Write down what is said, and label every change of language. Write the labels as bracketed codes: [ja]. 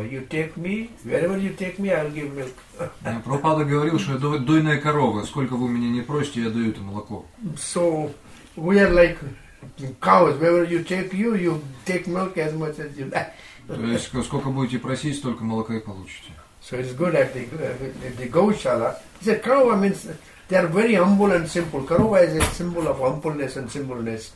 [en] You take me, wherever you take me, I'll give milk. [ru] Прабхупада говорил, что я дойная корова. Сколько вы меня не просите, я даю это молоко. [en] So, we are like cows. Wherever you take milk as much as you like. [ru] То есть, сколько будете просить, столько молока и получите. [en] So it's good at the gauchala. He said, Karova means they are very humble and simple. Karova is a symbol of humbleness and simpleness.